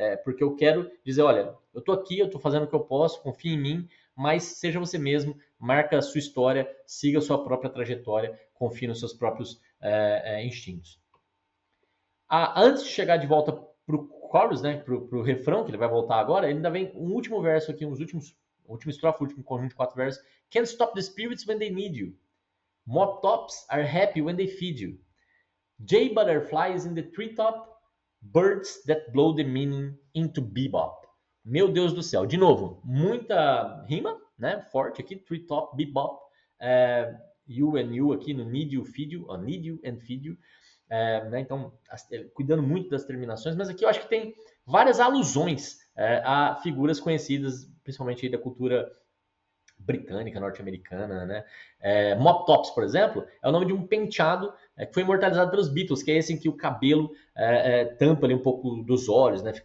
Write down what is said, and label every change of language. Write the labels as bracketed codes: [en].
[pt] Porque eu quero dizer: olha, eu estou aqui, eu estou fazendo o que eu posso, confie em mim, mas seja você mesmo, marca a sua história, siga a sua própria trajetória, confie nos seus próprios instintos. Antes de chegar de volta para o chorus, né, para o refrão, que ele vai voltar agora, ainda vem um último verso aqui, última estrofe, último conjunto de quatro versos: [en] "Can't stop the spirits when they need you. Mop tops are happy when they feed you. Jay butterflies in the treetop, birds that blow the meaning into bebop." [pt] Meu Deus do céu. De novo, muita rima, né? Forte aqui, treetop, bebop, you and you aqui no need you, feed you, [en] need you and feed you. [pt] Né? Então, cuidando muito das terminações, mas aqui eu acho que tem várias alusões a figuras conhecidas, principalmente aí da cultura britânica, norte-americana, né? Mop tops, por exemplo, é o nome de um penteado que foi imortalizado pelos Beatles, que é esse em que o cabelo tampa ali um pouco dos olhos, né?